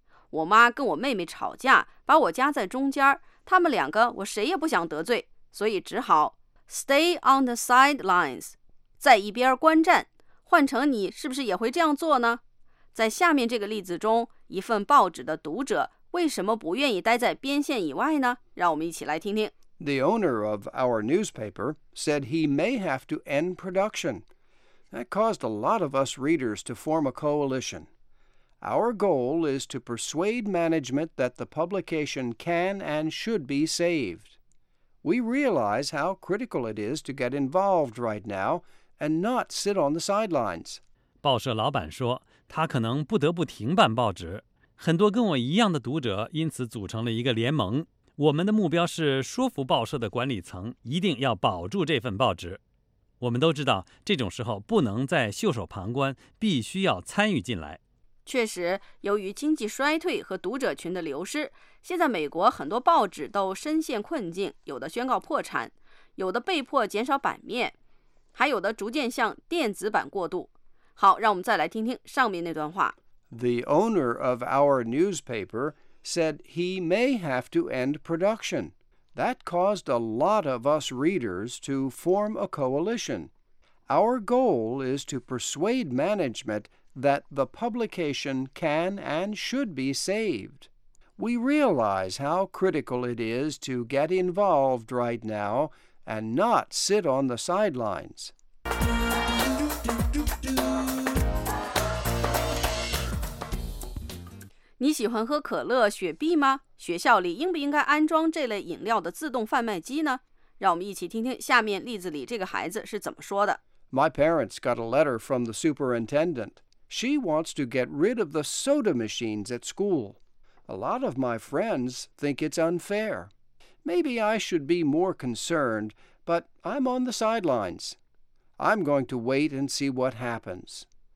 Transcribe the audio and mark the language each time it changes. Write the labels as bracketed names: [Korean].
[Chinese] 我妈跟我妹妹吵架，把我夹在中间，他们两个我谁也不想得罪，所以只好 [English] stay on the sidelines， [Chinese] 在一边观战。换成你是不是也会这样做呢？在下面这个例子中，一份报纸的读者为什么不愿意待在边线以外呢？让我们一起来听听。 [English] The owner of our newspaper said he may have to end production. That caused a lot of us readers to form a coalition. Our goal is to persuade management that the publication can and should be saved. We realize how critical it is to get involved right now and not sit on the sidelines. [Chinese] 报社老板说，他可能不得不停办报纸。很多跟我一样的读者因此组成了一个联盟。我们的目标是说服报社的管理层一定要保住这份报纸。我们都知道，这种时候不能再袖手旁观，必须要参与进来。确实，由于经济衰退和读者群的流失，现在美国很多报纸都深陷困境，有的宣告破产，有的被迫减少版面，还有的逐渐向电子版过渡。好，让我们再来听听上面那段话。 [English] The owner of our newspaper said he may have to end production. That caused a lot of us readers to form a coalition. Our goal is to persuade management that the publication can and should be saved. We realize how critical it is to get involved right now and not sit on the sidelines. [Chinese] 你喜欢喝可乐、雪碧吗？学校里应不应该安装这类饮料的自动贩卖机呢？让我们一起听听下面例子里这个孩子是怎么说的。 [English] My parents got a letter from the superintendent. She wants to get rid of the soda machines at school. A lot of my friends think it's unfair. Maybe I should be more concerned, but I'm on the sidelines. I'm going to wait and see what happens.